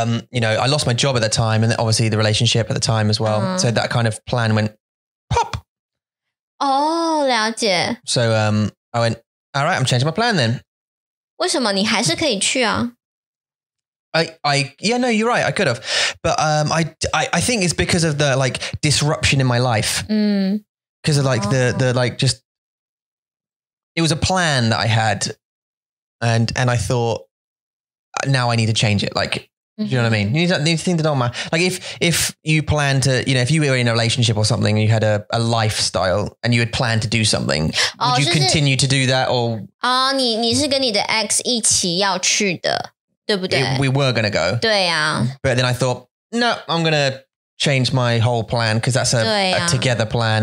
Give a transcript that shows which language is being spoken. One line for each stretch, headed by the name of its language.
English: You know, I lost my job at the time and obviously the relationship at the time as well. So that kind of plan went pop.
Chinese: 哦,了解。
English: So I went, all right, I'm changing my plan then.
Chinese: 为什么你还是可以去啊?
English: Yeah, no, you're right. I could have, but, I think it's because of the like disruption in my life. Cause of like the, like just, it was a plan that I had and I thought now I need to change it. Like, do you know what I mean? You need to think that don't matter. Like if you plan to, you know, if you were in a relationship or something and you had a lifestyle and you had planned to do something, would you continue to do that or?
Chinese: 你是跟你的 ex一起要去的。
English: We were going to go.
Chinese: 对啊.
English: But then I thought, no, I'm going to change my whole plan because that's a together plan.